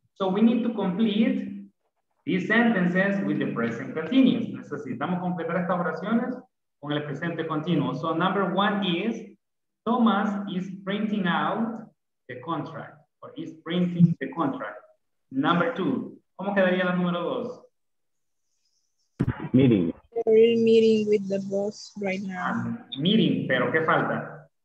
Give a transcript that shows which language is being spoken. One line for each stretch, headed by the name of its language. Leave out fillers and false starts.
English: So we need to complete these sentences with the present continuous.
Spanish: Necesitamos completar estas oraciones con el presente continuo.
English: So number one is, Thomas is printing out the contract. Or is printing the contract. Number two.
Spanish: ¿Cómo quedaría la número dos?
English: Meeting. We're meeting with the boss right now.
Spanish: Meeting, pero ¿qué falta?